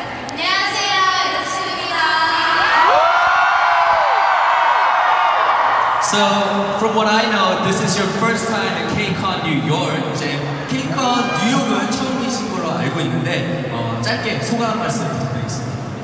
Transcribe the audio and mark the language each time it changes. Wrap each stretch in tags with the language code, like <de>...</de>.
<ko>안녕하세요, 유치입니다.</ko> <en>So, from what I know, this is your first time at KCON New York.</en> <ko>이제 KCON 뉴욕은 처음이신 걸로 알고 있는데, 짧게 소감 말씀 부탁드리겠습니다.</ko>